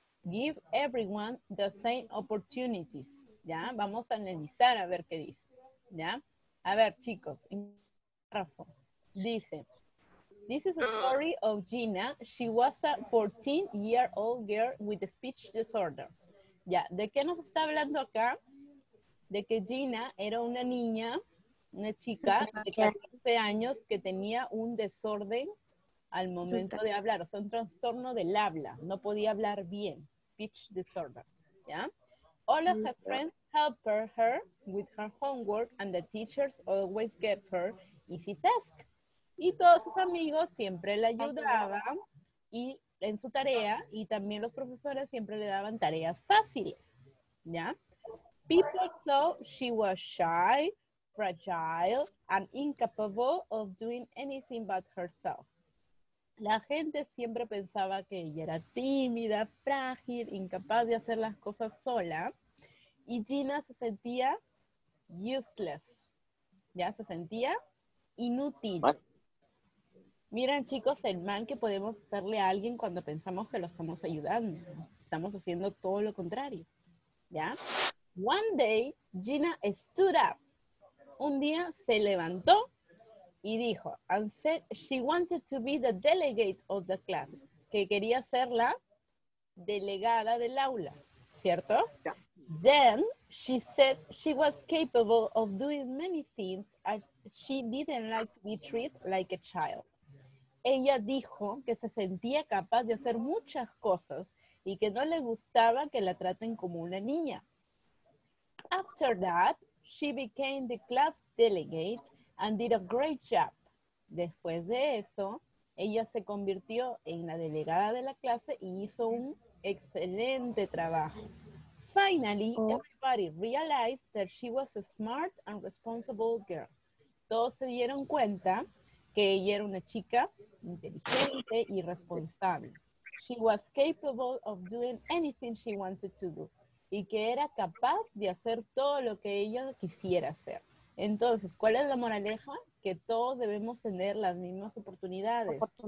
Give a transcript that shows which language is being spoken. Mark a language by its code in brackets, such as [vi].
[en] Give everyone the same opportunities. [es] Ya, vamos a analizar a ver qué dice. Ya, a ver, chicos, párrafo. Dice, [en] this is a story of Gina. She was a 14-year-old girl with a speech disorder. [es] Ya, ¿de qué nos está hablando acá? De que Gina era una niña, una chica de 14 años que tenía un desorden al momento de hablar. O sea, un trastorno del habla. No podía hablar bien. Speech disorder. ¿Ya? [en] All of her friends helped her with her homework and the teachers always gave her easy tasks. [es] Y todos sus amigos siempre la ayudaban y en su tarea y también los profesores siempre le daban tareas fáciles, ¿ya? [en] People thought she was shy, fragile, and incapable of doing anything but herself. [es] La gente siempre pensaba que ella era tímida, frágil, incapaz de hacer las cosas sola. Y Gina se sentía useless, ¿ya? Se sentía inútil. ¿Qué? Miren, chicos, el man que podemos hacerle a alguien cuando pensamos que lo estamos ayudando. Estamos haciendo todo lo contrario, ¿ya? [en] One day, Gina stood up. [es] Un día se levantó y dijo, [en] and said she wanted to be the delegate of the class. [es] Que quería ser la delegada del aula, ¿cierto? [en] Yeah. Then, she said she was capable of doing many things as she didn't like to be treated like a child. [es] Ella dijo que se sentía capaz de hacer muchas cosas y que no le gustaba que la traten como una niña. [en] After that, she became the class delegate and did a great job. [es] Después de eso, ella se convirtió en la delegada de la clase y hizo un excelente trabajo. [en] Finally, everybody realized that she was a smart and responsible girl. [es] Todos se dieron cuenta que ella era una chica inteligente y responsable. [en] She was capable of doing anything she wanted to do. [es] Y que era capaz de hacer todo lo que ella quisiera hacer. Entonces, ¿cuál es la moraleja? Que todos debemos tener las mismas oportunidades.